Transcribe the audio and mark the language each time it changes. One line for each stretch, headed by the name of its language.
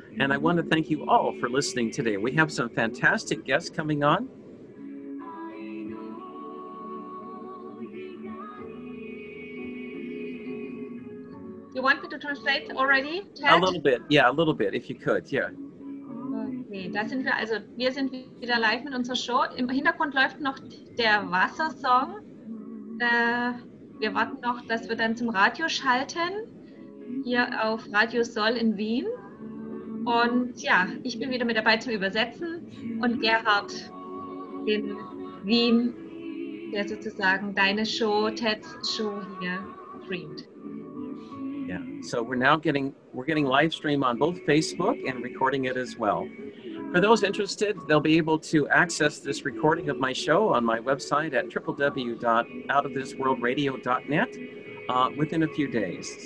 English: And I want to thank you all for listening today. We have some fantastic guests coming on. You want me to translate already, Ted? A little bit, yeah, a little bit, if you could, yeah.
German: Okay, da sind wir, also wir sind wieder live mit unserer Show. Im Hintergrund läuft noch der Wassersong. Wir warten noch, dass wir dann zum Radio schalten, hier auf Radio Soll in Wien. Und ja, ich bin wieder mit dabei zum Übersetzen und Gerhard in Wien, der sozusagen deine Show, Ted's Show hier streamt.
English: So we're now getting live stream on both Facebook and recording it as well. For those interested, they'll be able to access this recording of my show on my website at www.outofthisworldradio.net within a few days.